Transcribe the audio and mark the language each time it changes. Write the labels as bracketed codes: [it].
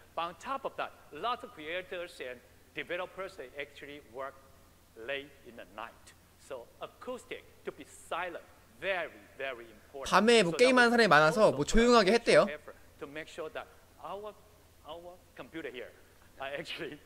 [en] But on top of that, lots of creators and developers they actually work late in the night. So acoustic to be silent, very, very important. [ko] 밤에 뭐 게임하는 사람이 많아서 뭐 조용하게 했대요. [en] To make sure that our computer here actually